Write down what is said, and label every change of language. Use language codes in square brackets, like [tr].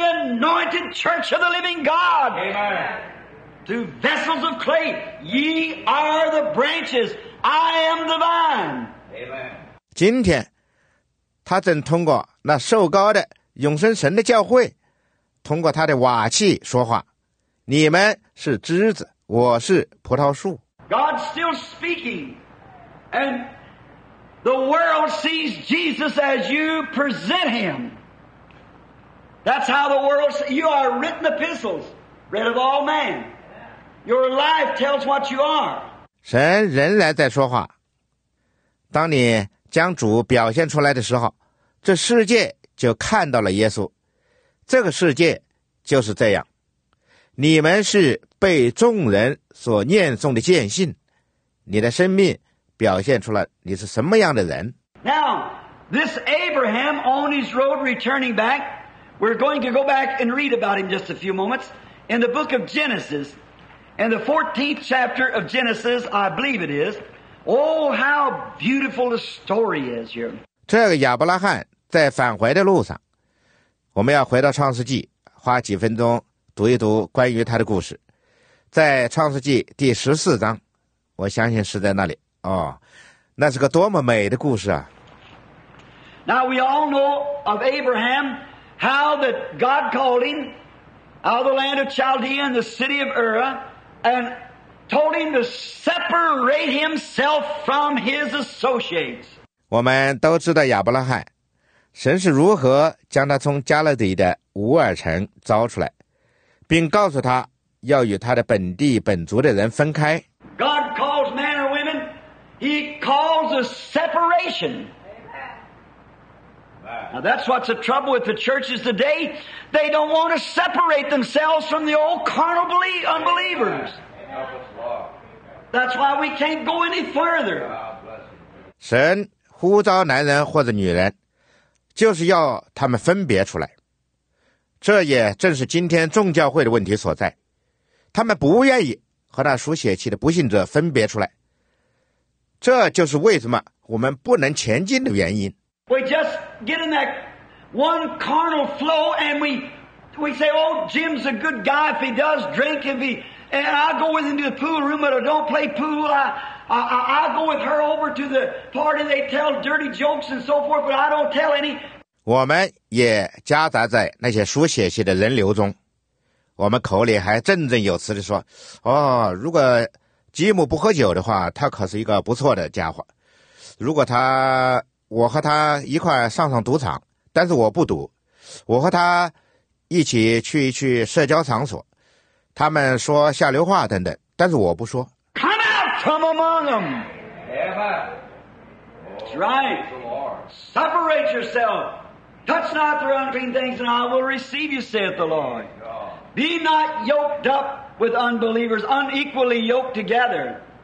[en] anointed church of the living God. Amen. Through vessels of clay, ye are the branches. I am the vine. Amen. [zh] 今天，他正通过那受膏的永生神的教会，通过他的瓦器说话。你们是枝子，我是葡萄树。 [en] God still speaking, and the world sees Jesus as you present Him. That's how the world. You are written epistles, read of all men. Your life tells what you are. [zh] 神仍然在说话。当你将主表现出来的时候，这世界就看到了耶稣。这个世界就是这样。你们是被众人所念诵的见信，你的生命表现出了你是什么样的人。 [en] Now, this Abraham on his road returning back, we're going to go back and read about him just a few moments in the book of Genesis, in the 14th chapter of Genesis, I believe it is. Oh, how beautiful the story is here. [zh] 这个亚伯拉罕在返回的路上，我们要回到创世纪，花几分钟读一读关于他的故事。在创世纪第十四章，我相信是在那里哦，那是个多么美的故事啊。 [en] Now we all know of Abraham, how that God called him out of the land of Chaldea and the city of Ur, and told him to separate himself from his associates. [zh] 我们都知道亚伯拉罕，神是如何将他从加勒底的乌尔城招出来，并告诉他要与他的本地本族的人分开。 [en] God calls man or woman, He calls a separation. Now that's what's the trouble with the churches today. They don't want to separate themselves from the old carnal unbelievers. That's why we can't go any further. [zh] 神呼召男人或者女人，就是要他们分别出来。这也正是今天众教会的问题所在，他们不愿意和那属血气的不信者分别出来，这就是为什么我们不能前进的原因。 [en] We just get in that one carnal flow and we say, oh, Jim's a good guy if he does drink, if he, and I'll go with him to the pool room, but I don't play pool. I'll go with her over to the party, they tell dirty jokes and so forth, but I don't tell any... [zh] 我们也夹杂在那些书写系的人流中，我们口里还振振有词地说，哦，如果吉姆不喝酒的话，他可是一个不错的家伙，如果他，我和他一块上上赌场，但是我不赌，我和他一起去一去社交场所，他们说下流话等等，但是我不说。 [en] Come out from among them. Amen. That's right. Separate yourselfTouch not their unclean things, and I will receive you, saith the Lord. Be not yoked up with unbelievers, unequally yoked together.